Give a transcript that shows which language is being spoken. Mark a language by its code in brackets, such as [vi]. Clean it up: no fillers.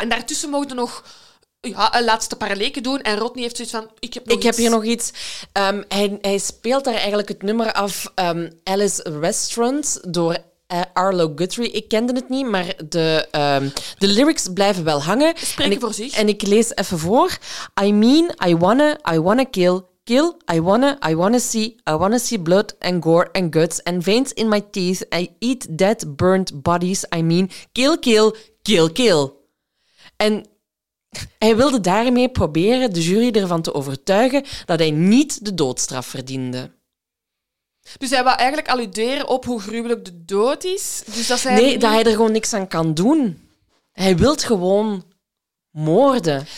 [nl] En daartussen mogen nog een laatste paar leken doen. En Rodney heeft zoiets van, Heb hier nog iets. Hij speelt daar eigenlijk het nummer af, Alice Restaurant, door Arlo Guthrie. Ik kende het niet, maar de lyrics blijven wel hangen. Spreken voor zich. En ik lees even voor. [en] I wanna kill... Kill, I wanna see blood and gore and guts and veins in my teeth. I eat dead burnt bodies, I mean, kill, kill, kill, kill. [nl] En hij wilde daarmee proberen de jury ervan te overtuigen dat hij niet de doodstraf verdiende. Dus hij wou eigenlijk alluderen op hoe gruwelijk de dood is? Dus dat hij dat hij er gewoon niks aan kan doen. Hij wil gewoon... moorden.